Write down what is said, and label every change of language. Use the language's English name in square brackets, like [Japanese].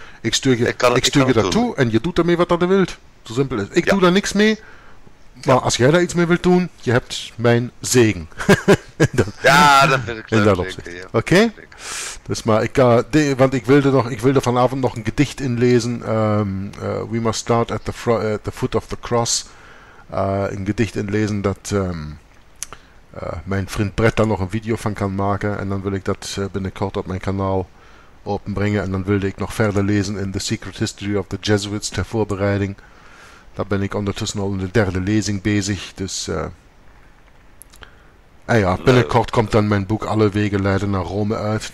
[Dutch] Ik stuur je dat toe en je doet ermee wat je wilt. Zo simpel is. Ik doe daar niks mee, maar als jij daar iets mee wilt doen, je hebt mijn zegen. dat vind ik leuk. In dat opzicht. Ja. Oké? Okay? Dus maar, ik wilde vanavond nog een gedicht inlezen. [English] We must start at the foot of the cross. [Dutch] Een gedicht inlezen dat mijn vriend Brett daar nog een video van kan maken. En dan wil ik dat binnenkort op mijn kanaal openbrengen. En dan wilde ik nog verder lezen in The Secret History of the Jesuits ter voorbereiding. Daar ben ik ondertussen al in de derde lezing bezig. Dus binnenkort komt dan mijn boek Alle Wegen leiden naar Rome uit.